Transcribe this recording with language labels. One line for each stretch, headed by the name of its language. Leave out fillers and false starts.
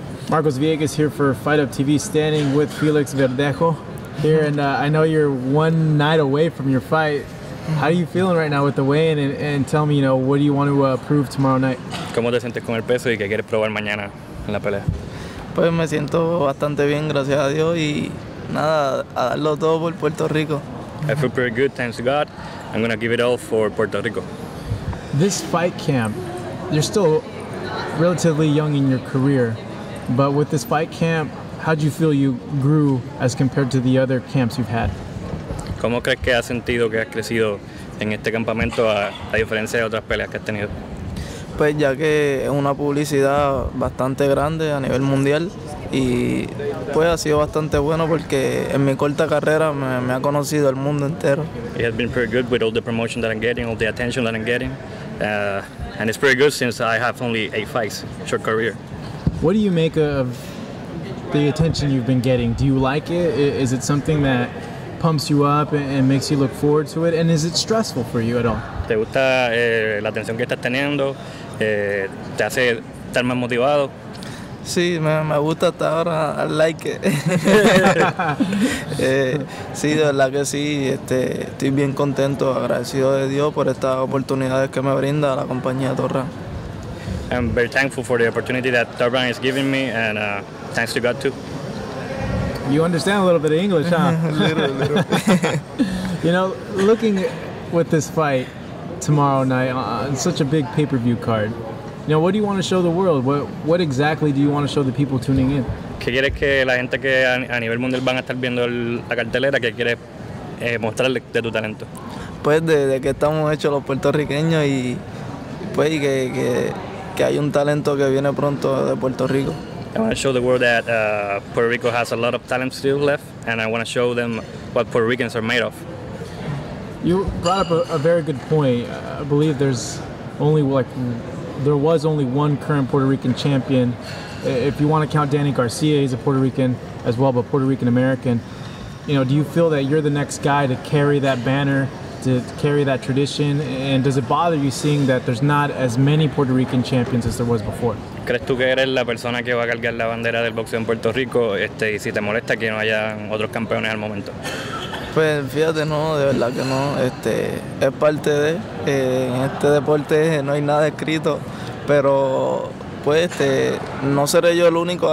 English: Marcos Villegas here for Fight Up TV, standing with Felix Verdejo here, and I know you're one night away from your fight. How are you feeling right now with the weigh-in, and tell me, you know, what do you want to prove tomorrow night?
Spanish: ¿Cómo te sientes con el peso y qué quieres probar mañana en la pelea? Pues me siento bastante bien, gracias a Dios, y nada, a darlo todo por Puerto Rico.
English: I feel pretty good, thanks to God. I'm going to give it all for Puerto Rico. This fight camp, you're still relatively young in your career, but with this fight camp, how do you feel you grew as compared to the other camps you've had?
Spanish: ¿Cómo crees que has sentido que has crecido en este campamento a diferencia de otras peleas que has tenido? Pues ya que es una publicidad bastante grande a nivel mundial y pues ha sido bastante bueno porque en mi corta carrera me ha conocido el mundo entero.
English: It has been pretty good with all the promotion that I'm getting, all the attention that I'm getting. And it's pretty good since I have only 8 fights, short career. What do you make of the attention you've been getting? Do you like it? Is it something that pumps you up and makes you look forward to it? And is it stressful for you at all?
Spanish: ¿Te gusta la atención que estás teniendo? ¿Te hace estar más motivado? Sí, me gusta hasta ahora.
English: I like it.
Spanish: sí, de verdad que sí. Estoy bien contento, agradecido de Dios por estas oportunidades que me brinda la compañía Torra.
English: I'm very thankful for the opportunity that Torra is giving me, and thanks to God too. You understand a little bit of English, huh? little. You know, looking with this fight tomorrow night on such a big pay-per-view card, you know, what do you want to show the world? What exactly do you want to show the people tuning in?
Spanish: ¿Qué quieres que la gente que a nivel mundial van a estar viendo la cartelera, qué quieres mostrarle de tu talento? Pues de que estamos hechos los puertorriqueños y que hay un talento que viene pronto de Puerto Rico.
English: I want to show the world that Puerto Rico has a lot of talent still left, and I want to show them what Puerto Ricans are made of. You brought up a very good point. I believe there was only one current Puerto Rican champion. If you want to count Danny Garcia, he's a Puerto Rican as well, but Puerto Rican American. You know, do you feel that you're the next guy to carry that banner, to carry that tradition? And does it bother you seeing that there's not as many Puerto Rican champions as there was before?
Spanish: ¿Crees tú que eres la persona que va a cargar la bandera del boxeo en Puerto Rico? Y si te molesta que no haya otros campeones al momento. Pues fíjate, no, de verdad que no. Es parte de, en este deporte no hay nada escrito, pero pues no seré yo el único.